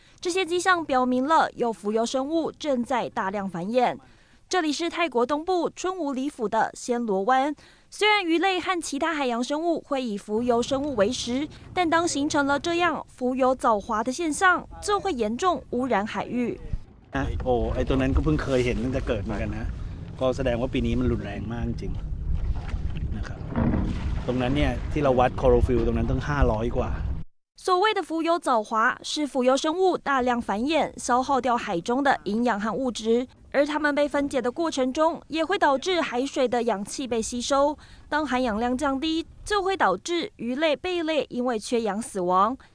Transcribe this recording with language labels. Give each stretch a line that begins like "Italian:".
Chinese: 这些迹象表明了有浮游生物正在大量繁衍。这里是泰国东部春武里府的暹罗湾，虽然鱼类和其他海洋生物会以浮游生物为食，但当形成了这样浮游藻华的现象，就会严重污染海域。
Thai: ไอ้ตัวนั้นก็เพิ่งเคยเห็นตั้งแต่เกิดมากันนะก็แสดงว่าปีนี้มันรุนแรงมากจริงนะครับตรงนั้นเนี่ยที่เราวัดคลอโรฟิลล์ตรงนั้นต้อง500กว่า
Chinese: 所谓的浮游藻华是浮游生物大量繁衍，消耗掉海中的营养和物质，而它们被分解的过程中，也会导致海水的氧气被吸收。当含氧量降低，就会导致鱼类、贝类因为缺氧死亡。